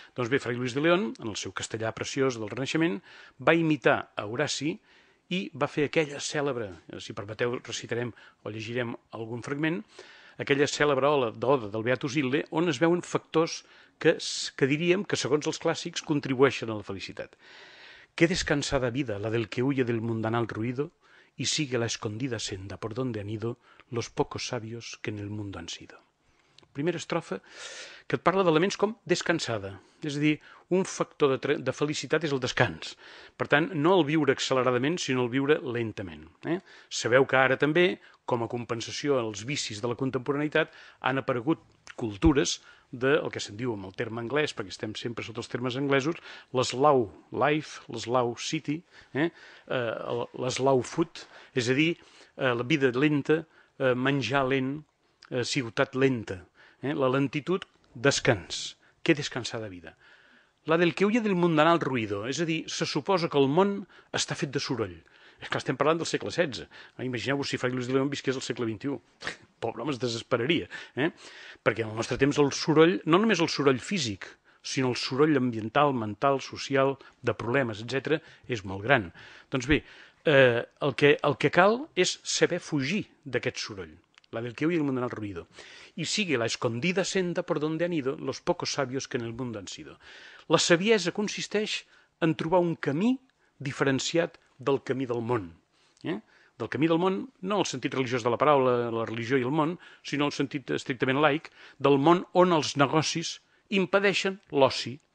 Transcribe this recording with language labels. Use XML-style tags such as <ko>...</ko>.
<ca>Doncs bé, Fray Luis de León, en el seu castellà preciós del Renaixement, va imitar a Horaci i va fer aquella cèlebre, si permeteu recitarem o llegirem algun fragment, aquella cèlebre oda del Beatus Ille, on es veuen factors que diríem que, segons els clàssics, contribueixen a la felicitat.</ca> <es>Qué descansada vida la del que huye del mundanal ruido y sigue la escondida senda por donde han ido los pocos sabios que en el mundo han sido.</es> <ca>Primera estrofa que et parla d'elements com descansada. És a dir, un factor de felicitat és el descans. Per tant, no el viure acceleradament, sinó el viure lentament. Sabeu que ara també, com a compensació als vicis de la contemporaneïtat, han aparegut cultures del que se'n diu amb el terme anglès, perquè estem sempre sota els termes anglesos, l'slow life, l'slow city, l'slow food, és a dir, la vida lenta, menjar lent, ciutat lenta, la lentitud, descans. Què descansar de vida?</ca> <es>La del que huye del mundanal ruido,</es> <ca>és a dir, se suposa que el món està fet de soroll. És clar, estem parlant del segle XVI. Imagineu-vos si Fray Luis de León visqués al segle XXI. Pobre home, es desesperaria. Perquè en el nostre temps el soroll, no només el soroll físic, sinó el soroll ambiental, mental, social, de problemes, etc., és molt gran. Doncs bé, el que cal és saber fugir d'aquest soroll.</ca> <es>La del que hoy el mundo ha ruido. Y sigue la escondida senda por donde han ido los pocos sabios que en el mundo han sido.</es> <ca>La saviesa consisteix en trobar un camí diferenciat del camí del món. Del camí del món, no el sentit religiós de la paraula, la religió i el món, sinó el sentit estrictament laic, del món on els negocis impedeixen l'oci.</ca>